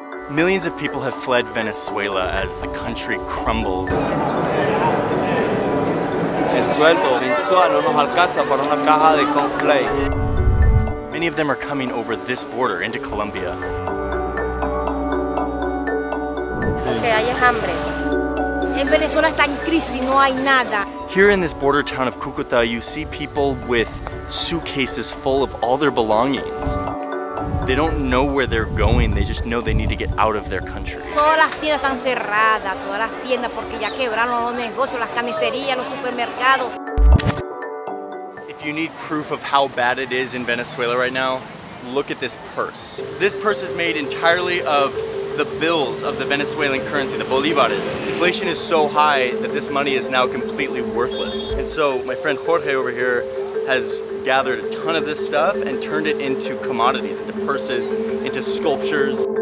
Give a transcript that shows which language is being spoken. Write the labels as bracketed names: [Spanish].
[English] Millions of people have fled Venezuela as the country crumbles. [Spanish] El sueldo mensual no nos alcanza para una caja de conflate. [English] Many of them are coming over this border into Colombia. [Spanish] Que hay hambre. En Venezuela está en crisis, no hay nada. [English] Here in this border town of Cúcuta, you see people with suitcases full of all their belongings. They don't know where they're going, they just know they need to get out of their country. [Spanish] Todas las tiendas están cerradas, todas las tiendas porque ya quebraron los negocios, las carnicerías, los supermercados. [English] If you need proof of how bad it is in Venezuela right now, look at this purse. This purse is made entirely of the bills of the Venezuelan currency, the Bolivares. Inflation is so high that this money is now completely worthless. And so my friend Jorge over here has gathered a ton of this stuff and turned it into commodities, into purses, into sculptures.